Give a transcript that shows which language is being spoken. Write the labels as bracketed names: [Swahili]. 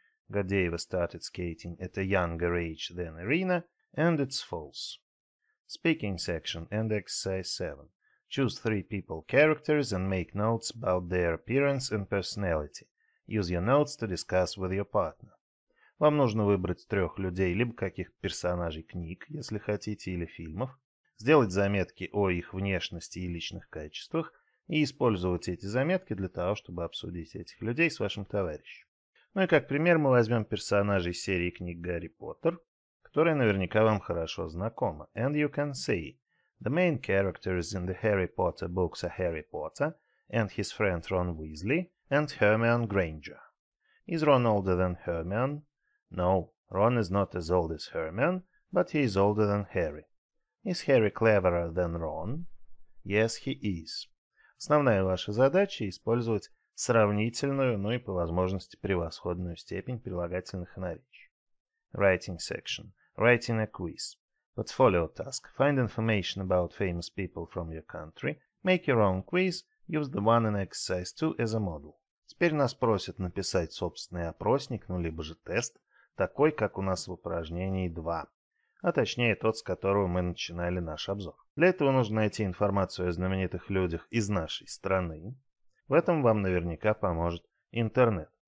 [English] Gordieva started skating at a younger age than Irina, and it's false. Speaking section and exercise 7. Choose 3 people characters and make notes about their appearance and personality. Use your notes to discuss with your partner. [Russian] Вам нужно выбрать 3 людей либо каких-то персонажей книг, если хотите, или фильмов, сделать заметки о их внешности и личных качествах и использовать эти заметки для того, чтобы обсудить этих людей с вашим товарищем. Ну и как пример мы возьмем персонажей серии книг «Гарри Поттер», которая наверняка вам хорошо знакома. [English] And you can say, the main characters in the Harry Potter books are Harry Potter and his friend Ron Weasley and Hermione Granger. Is Ron older than Hermione? No, Ron is not as old as Hermione, but he is older than Harry. Is Harry cleverer than Ron? Yes, he is. [Russian] Основная ваша задача – использовать сравнительную, ну и по возможности превосходную степень прилагательных наречий. [English] Writing section. Writing a quiz. Portfolio task. Find information about famous people from your country. Make your own quiz. Use the one in exercise 2 as a model. [Russian] Теперь нас просят написать собственный опросник, ну либо же тест, такой, как у нас в упражнении 2, а точнее тот, с которого мы начинали наш обзор. Для этого нужно найти информацию о знаменитых людях из нашей страны. В этом вам наверняка поможет интернет.